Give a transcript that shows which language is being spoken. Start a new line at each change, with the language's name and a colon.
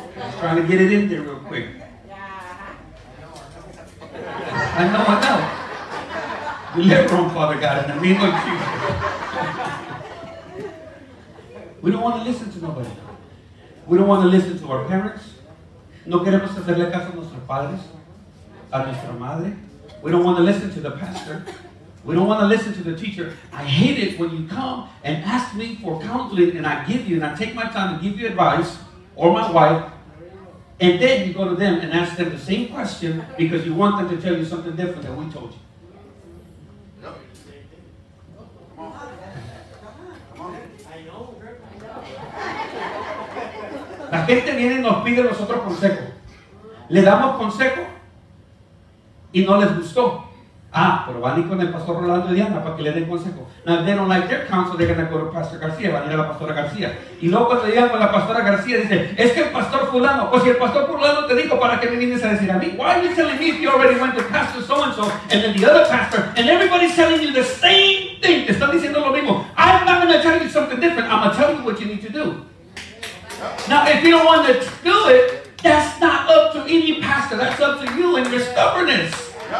English: I'm trying to get it in there real quick. I know. Deliver them, Father God, in the name of Jesus. We don't want to listen to nobody. We don't want to listen to our parents.
Spanish: No queremos hacerle caso a nuestros padres, a nuestra madre.
English: We don't want to listen to the pastor. We don't want to listen to the teacher. I hate it when you come and ask me for counseling and I give you and I take my time to give you advice or my wife, and then you go to them and ask them the same question because you want them to tell you something different than we told you.
Spanish: La gente viene y nos pide nosotros consejo. Le damos consejo y no les gustó. Ah, pero van a ir con el pastor Rolando y Diana para que le den consejo.
English: Now, if they don't like their counsel, they're going to go to Pastor García.
Spanish: Van a ir a la pastora García. Y luego cuando llegan con la pastora García, dice, es que el pastor fulano, pues si el pastor fulano te dijo, ¿para qué me vienes a decir a mí?
English: Why are you telling me if you already went to Pastor so-and-so and then the other pastor, and everybody's telling you the same thing?
Spanish: Te están diciendo lo mismo.
English: I'm not going to tell you something different. I'm going to tell you what you need to do. Now, if you don't want to do it, that's not up to any pastor. That's up to you and your stubbornness.